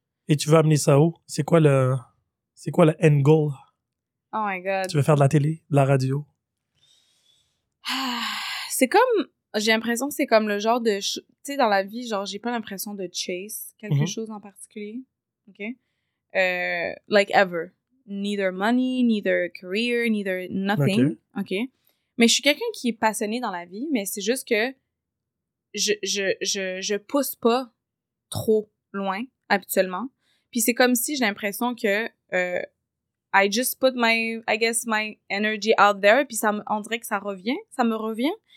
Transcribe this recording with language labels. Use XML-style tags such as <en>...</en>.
<fr>Et tu veux amener ça où? C'est quoi le end goal?</fr> <en>Oh my God.</en> <fr>Tu veux faire de la télé, de la radio? C'est comme... J'ai l'impression que c'est comme le genre de... Tu sais, dans la vie, genre, j'ai pas l'impression de chase quelque chose en particulier.</fr> <en>OK? Like ever. Neither money, neither career, neither nothing. OK?</en> <fr>Mais je suis quelqu'un qui est passionné dans la vie, mais c'est juste que je pousse pas trop loin, habituellement. Puis c'est comme si j'ai l'impression que</fr> <en>I just put my, I guess, my energy out there,</en> <fr>puis on dirait que ça me revient.</fr>